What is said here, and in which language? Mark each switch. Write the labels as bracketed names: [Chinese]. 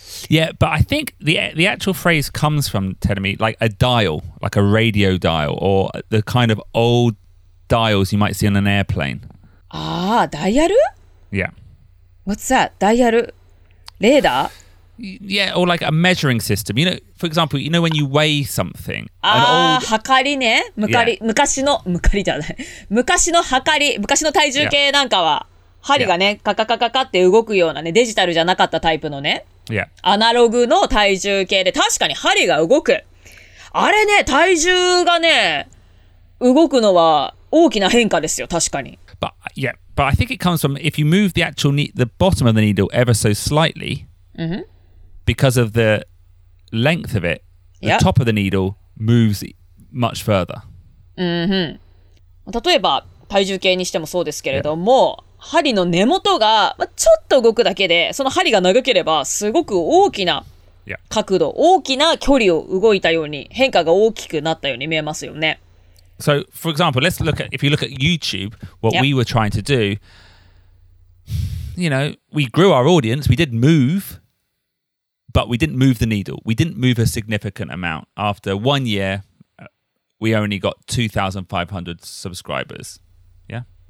[English] Yeah, but I think the actual phrase comes from, Tedemi, like a dial, like a radio dial, or the kind of old dials you might see on an airplane. Ah, dial? Yeah. What's that? Dial? Radar? Yeah, or like a measuring system. You know, for example, you know when you weigh something? [Japanese] Ah, はかりね。むかり、昔の、むかりじゃない。昔のはかり、昔の体重計なんかは、針がね、カカカカカって動くようなね、デジタルじゃなかったタイプのね、アナログの体重計で、確かに針が動く。あれね、体重がね、動くのは大きな変化ですよ、確かに。 [English] But, yeah. But I think it comes from if you move the actual the bottom of the needle ever so slightly,、 mm-hmm. because of the length of it, the、yep. top of the needle moves much further. Mm-hmm. [Japanese] 例えば体重計にしてもそうですけれども、yep. 針の根元がちょっと動くだけで、その針が長ければすごく大きな角度、yep. 大きな距離を動いたように、変化が大きくなったように見えますよね。 [English] So, for example, let's look at, if you look at YouTube, what、yep. we were trying to do, you know, we grew our audience, we did move, but we didn't move the needle. We didn't move a significant amount. After 1 year, we only got 2,500 subscribers. Yeah?